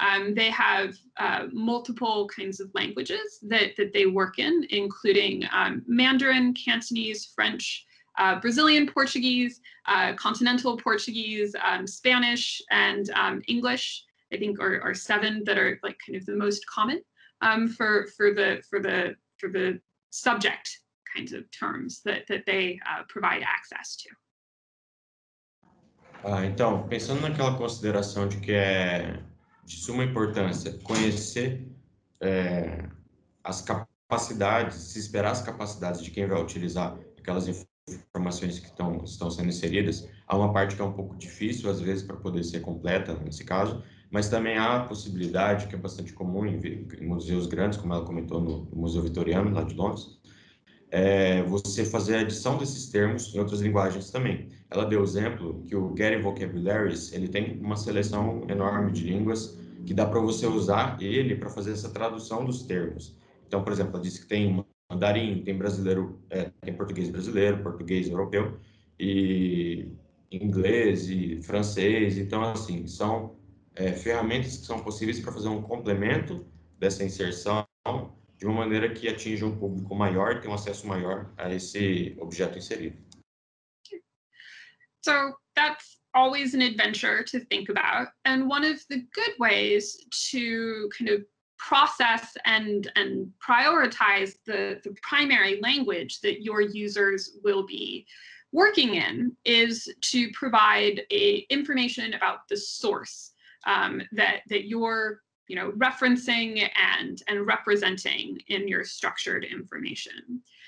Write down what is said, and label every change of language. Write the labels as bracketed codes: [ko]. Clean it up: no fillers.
[en] They have multiple kinds of languages that they work in, including Mandarin, Cantonese, French, Brazilian Portuguese, Continental Portuguese, Spanish, and English, I think are seven that are like kind of the most common for the subject kinds of terms that they provide access to. [pt] Então, pensando naquela consideração de que é de suma importância conhecer as capacidades, se esperar as capacidades de quem vai utilizar aquelas informações que estão sendo inseridas, há uma parte que é um pouco difícil, às vezes, para poder ser completa, nesse caso, mas também há a possibilidade, que é bastante comum em museus grandes, como ela comentou no Museu Vitoriano, lá de Londres, você fazer a adição desses termos em outras linguagens também. Ela deu o exemplo que o Getty Vocabularies, ele tem uma seleção enorme de línguas que dá para você usar ele para fazer essa tradução dos termos. Então, por exemplo, ela disse que tem uma mandarim, tem brasileiro, tem português brasileiro, português europeu, e inglês e francês. Então, assim, são ferramentas que são possíveis para fazer um complemento dessa inserção de uma maneira que atinja um público maior, tenha um acesso maior a esse objeto inserido. [en] So that's always an adventure to think about. And one of the good ways to kind of process and prioritize the primary language that your users will be working in is to provide information about the source that you're, you know, referencing and representing in your structured information.